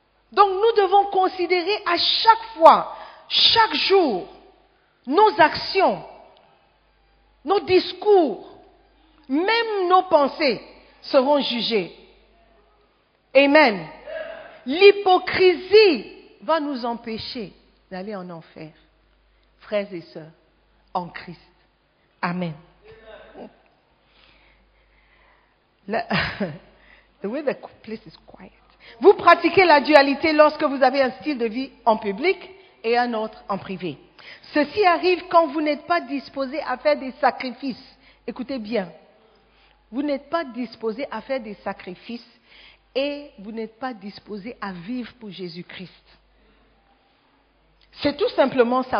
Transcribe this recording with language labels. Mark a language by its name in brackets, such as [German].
[French] Donc, nous devons considérer à chaque fois, chaque jour, nos actions, nos discours, même nos pensées seront jugées. Amen. L'hypocrisie va nous empêcher d'aller en enfer, frères et sœurs, en Christ. Amen. [English] The way the place is quiet. [French] Vous pratiquez la dualité lorsque vous avez un style de vie en public et un autre en privé. Ceci arrive quand vous n'êtes pas disposé à faire des sacrifices. Écoutez bien. Vous n'êtes pas disposé à faire des sacrifices et vous n'êtes pas disposé à vivre pour Jésus-Christ. C'est tout simplement ça.